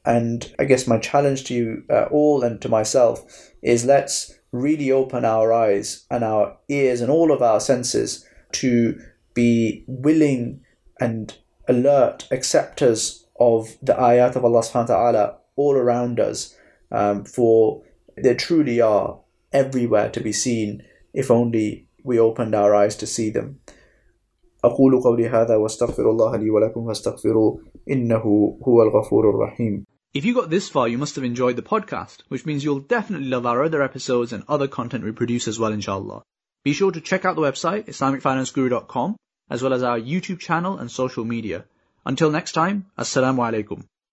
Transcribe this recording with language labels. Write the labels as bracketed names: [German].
[English] And I guess my challenge to you all and to myself is, let's really open our eyes and our ears and all of our senses to be willing and alert acceptors of the ayat of Allah subhanahu wa ta'ala all around us, for they truly are everywhere to be seen if only we opened our eyes to see them. [Arabic] أقول قولي هذا واستغفر الله لي ولكم فاستغفروا إنه هو الغفور الرحيم. [English] If you got this far, you must have enjoyed the podcast, which means you'll definitely love our other episodes and other content we produce as well, inshallah. Be sure to check out the website, islamicfinanceguru.com, as well as our YouTube channel and social media. Until next time, Assalamu alaikum.